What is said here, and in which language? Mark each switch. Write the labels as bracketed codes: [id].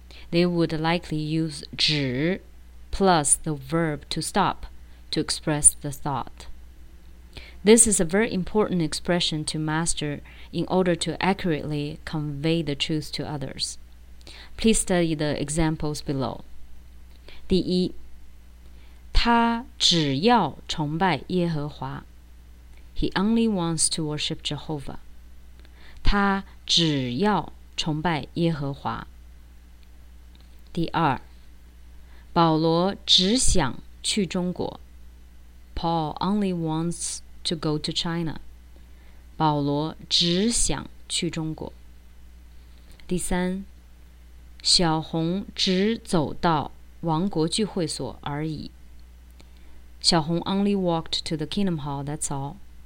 [en] They would likely use 止 plus the verb to stop to express the thought. This is a very important expression to master in order to accurately convey the truth to others. Please study the examples below. [zh] 第一，他只要崇拜耶和华。 [en] He only wants to worship Jehovah. [zh] 他只要崇拜耶和华。第二，保罗只想去中国。 [en] Paul only wants to go to China. [zh] 保罗只想去中国。第三，小红只走到王国聚会所而已。 [en] 小红 only walked to the Kingdom Hall, that's all.